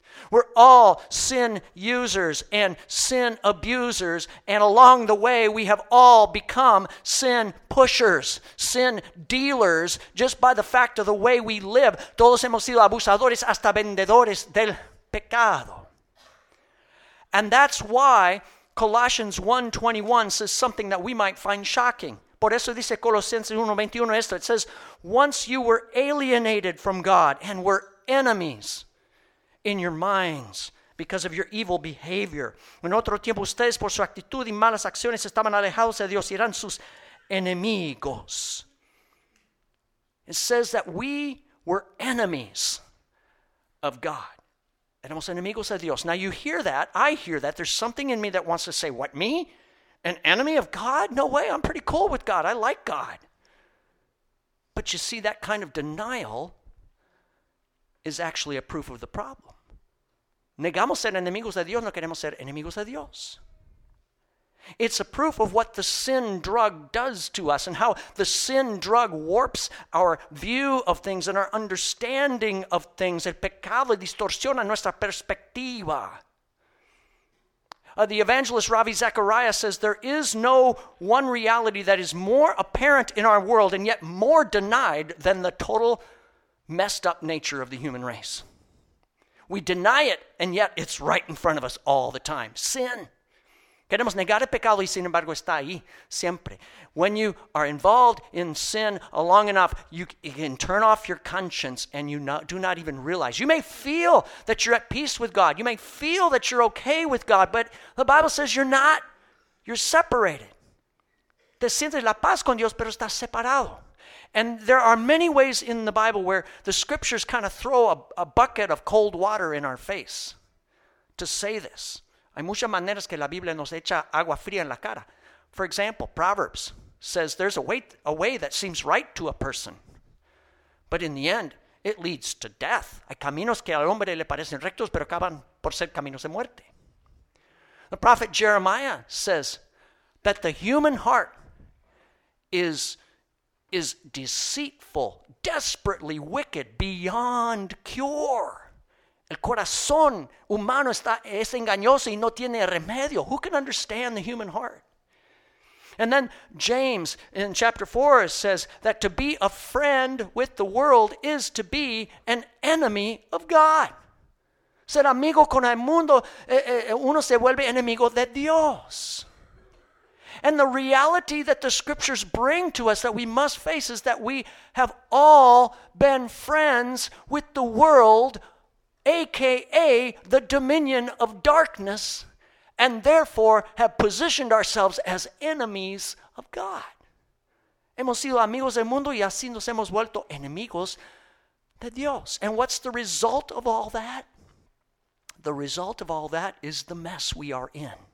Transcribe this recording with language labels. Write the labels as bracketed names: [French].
[English] We're all sin users and sin abusers, and along the way, we have all become sin pushers, sin dealers, just by the fact of the way we live. [Spanish] Todos hemos sido abusadores hasta vendedores del pecado. [English] And that's why Colossians 1:21 says something that we might find shocking. [Spanish] Por eso dice Colosenses 1:21 esto. [English] It says, once you were alienated from God and were enemies in your minds because of your evil behavior. [Spanish] En otro tiempo ustedes por su actitud y malas acciones estaban alejados de Dios y eran sus enemigos. [English] It says that we were enemies of God. [Spanish] Éramos enemigos de Dios. [English] Now you hear that. I hear that. There's something in me that wants to say, what, me? An enemy of God? No way. I'm pretty cool with God. I like God. But you see, that kind of denial is actually a proof of the problem. [Spanish] Negamos ser enemigos de Dios, no queremos ser enemigos de Dios. [English] It's a proof of what the sin drug does to us and how the sin drug warps our view of things and our understanding of things. [Spanish] El pecado distorsiona nuestra perspectiva. [English] The evangelist Ravi Zacharias says, there is no one reality that is more apparent in our world and yet more denied than the total messed up nature of the human race. We deny it, and yet it's right in front of us all the time. Sin. [Spanish] Queremos negar el pecado y sin embargo está ahí siempre. [English] When you are involved in sin long enough, you can turn off your conscience and do not even realize. You may feel that you're at peace with God. You may feel that you're okay with God, but the Bible says you're not. You're separated. [Spanish] Te sientes la paz con Dios, pero estás separado. [English] And there are many ways in the Bible where the scriptures kind of throw a bucket of cold water in our face to say this. [Spanish] Hay muchas maneras que la Biblia nos echa agua fría en la cara. [English] For example, Proverbs says there's a way that seems right to a person, but in the end, it leads to death. [Spanish] Hay caminos que al hombre le parecen rectos, pero acaban por ser caminos de muerte. [English] The prophet Jeremiah says that the human heart is deceitful, desperately wicked, beyond cure. [Spanish] El corazón humano es engañoso y no tiene remedio. [English] Who can understand the human heart? And then James in chapter 4 says that to be a friend with the world is to be an enemy of God. [Spanish] Ser amigo con el mundo, uno se vuelve enemigo de Dios. [English] And the reality that the scriptures bring to us that we must face is that we have all been friends with the world, aka the dominion of darkness, and therefore have positioned ourselves as enemies of God. [Spanish] Hemos sido amigos del mundo y así nos hemos vuelto enemigos de Dios. [English] And what's the result of all that? The result of all that is the mess we are in.